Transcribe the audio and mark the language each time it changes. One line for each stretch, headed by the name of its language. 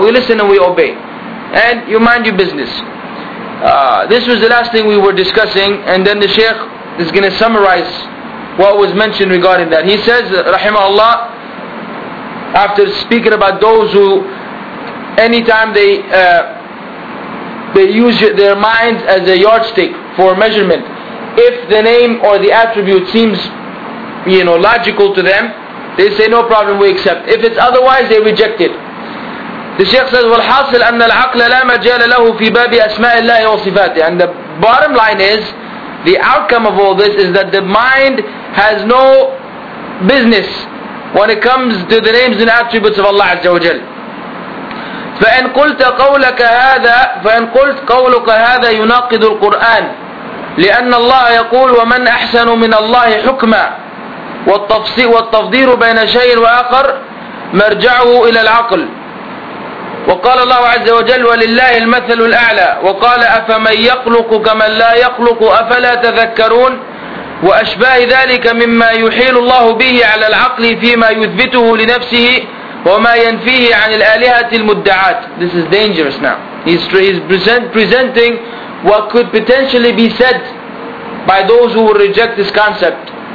English: We listen and we obey, and you mind your business. This was the last thing we were discussing, and then the Shaykh is going to summarize what was mentioned regarding that. He says, rahimahullah, after speaking about those who anytime they use their minds as a yardstick for measurement, if the name or the attribute seems, you know, logical to them, they say no problem, we accept. If it's otherwise, they reject it. The Shaykh says,
Arabic: وَالْحَاصِلْ أَنَّ الْعَقْلَ لَا مَجَالَ لَهُ فِي بَابِ أَسْمَاءِ اللَّهِ وَصِفَاتِهِ.
English: And the bottom line is, the outcome of all this is that the mind has no business when it comes to the names and attributes of Allah Azza wa Jal.
Arabic: فَإِنْ قُلْتَ قَوْلَكَ هَذَا فَإِنْ قُلْتْ قَوْلُكَ هَذَا يُنَاقِدُ الْقُرْآنِ لِأَنَّ اللَّهَ يَقُولُ وَمَنْ أَحْسَنُ مِنَ اللَّهِ حُكْمًا وَالتَّفْضِيرُ بَيْنَ شَيْءٍ وَآخَرَ مَرْجَعُهُ إِلَى الْعَقْلِ وقال الله عز وجل ولله المثل الأعلى وقال أفمن يخلق كمن لا يخلق أفلا تذكرون وأشباه ذلك مما يحيل الله به على العقل فيما يثبته لنفسه وما ينفيه عن الآلهة المدعات.
English: This is dangerous now. He's presenting what could potentially be said by those who will reject this concept.